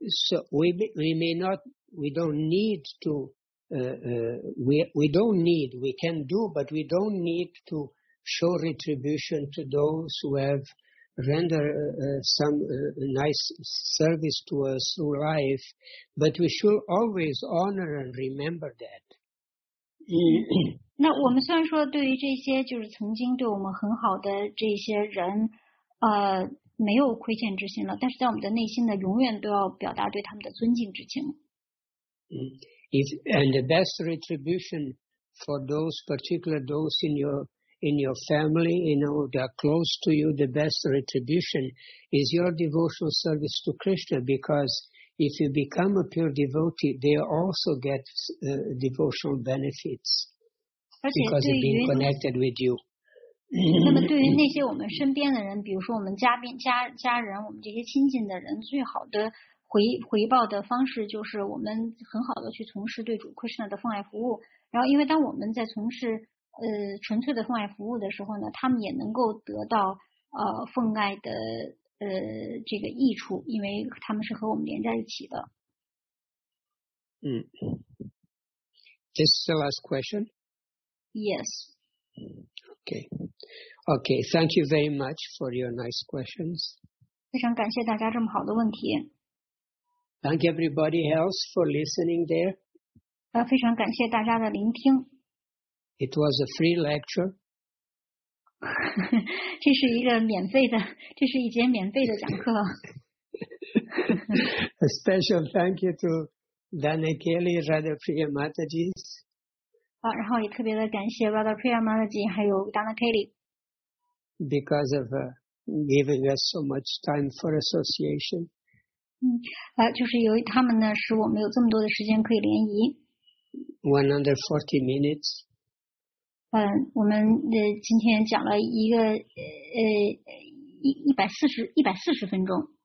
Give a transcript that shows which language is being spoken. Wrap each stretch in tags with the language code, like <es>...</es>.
<en>So we don't need to show retribution to those who have rendered some nice service to us through life, but we should always honor and remember that.</en> <zh>那我们虽然说对于这些就是曾经对我们很好的这些人，没有亏欠之心了，但是在我们的内心呢，永远都要表达对他们的尊敬之情。</zh> <en>And the best retribution for those, particularly those in your family, you know, that are close to you, the best retribution is your devotional service to Krishna, because if you become a pure devotee, they also get devotional benefits because of being connected with you.</en> <zh>那么对于那些我们身边的人，比如说我们家人，我们这些亲近的人，最好的回报的方式就是我们很好的去从事对主 Krishna 的奉爱服务。然后因为当我们在从事纯粹的奉爱服务的时候呢，他们也能够得到奉爱的这个益处，因为他们是和我们连在一起的。</zh> <en>This is the last question. Yes. Okay. Thank you very much for your nice questions.</en> <zh>非常感谢大家这么好的问题。</zh> <en>Thank everybody else for listening there.</en> <zh>非常感谢大家的聆听。</zh> <en>It was a free lecture.</en> <zh>这是一个免费的，这是一节免费的讲课。</zh> <en>A special thank you to Danakeli Radha Priya Mataji.</en> <zh>然后也特别的感谢 Radha Priya Mataji 还有 Danakeli.</zh> <en>Because of giving us so much time for association.</en> <zh>就是由于他们呢，使我们有这么多的时间可以联谊。</zh> <en>140 minutes.</en> <zh>我们今天讲了一个140分钟。</zh>